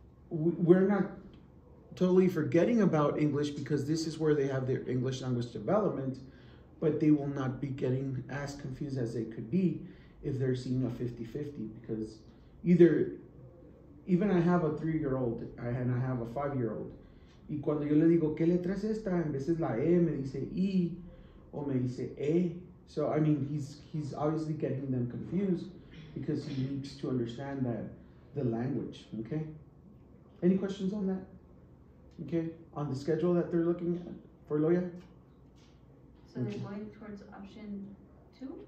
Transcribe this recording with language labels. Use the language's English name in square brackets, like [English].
[English] We're not totally forgetting about English because this is where they have their English language development, but they will not be getting as confused as they could be if they're seeing a 50-50, because either, even I have a 3-year-old and I have a 5-year-old, [Spanish] y cuando yo le digo, ¿qué letra es esta? En vez de la E, me dice I, o me dice E. [English] So, I mean, he's obviously getting them confused because he needs to understand that the language, okay? Any questions on that? Okay, on the schedule that they're looking at for Loya? So okay. They're going towards option two?